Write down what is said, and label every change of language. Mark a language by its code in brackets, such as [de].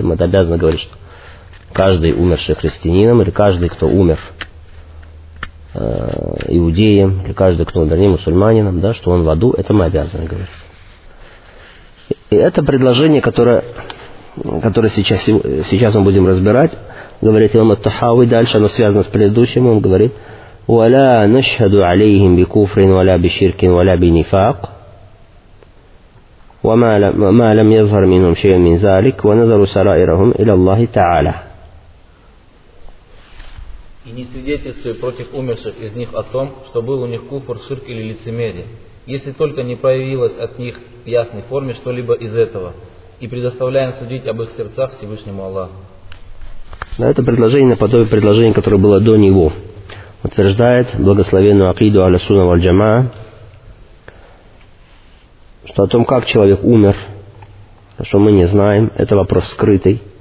[ru] Мы обязаны говорить, что каждый умерший христианином, или каждый, кто умер иудеем, или каждый, кто умер не мусульманином, да, что он в аду, это мы обязаны говорить. И это предложение, которое сейчас мы будем разбирать, говорит имам ат-Тахави, дальше оно связано с предыдущим, он говорит: [ar] «Уаля нашхаду алейхим би куфрин, валя би ширкин, валя би нифак». وما لم يظهر منهم شيء من ذلك ونظروا سرائرهم الى الله تعالى. [ru] И не свидетельствуй против умерших из них о том, что был у них куфр, ширк или лицемерие, если только не проявилось от них в ясной форме что-либо из этого, и предоставляем судить об их сердцах Всевышнему Аллаху. Да, это предложение наподобие предложения, которое было до него, утверждает благословенную акиду Ахли Сунна валь Джамаа, что о том, как человек умер, что мы не знаем, это вопрос скрытый.